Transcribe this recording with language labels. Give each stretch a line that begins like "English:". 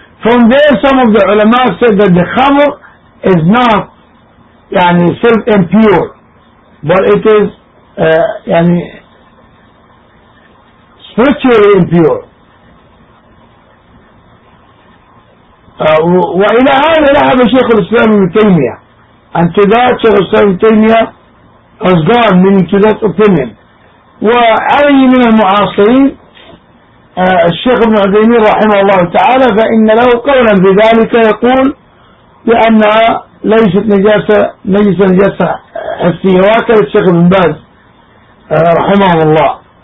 English: From there some of the ulama said that the خمر is not يعني self impure, but it is يعني spiritually impure.
Arabic: وإلى هذا ذهب شيخ الإسلام ابن تيمية.
English: And to that شيخ الإسلام ابن تيمية has gone, meaning to that opinion.
Arabic: وعلي من المعاصرين الشيخ ابن عثيمين رحمه الله تعالى, فإن له قولا في ذلك, يقول بأنها ليست نجاسة حسية, وهكذا الشيخ ابن باز رحمه الله.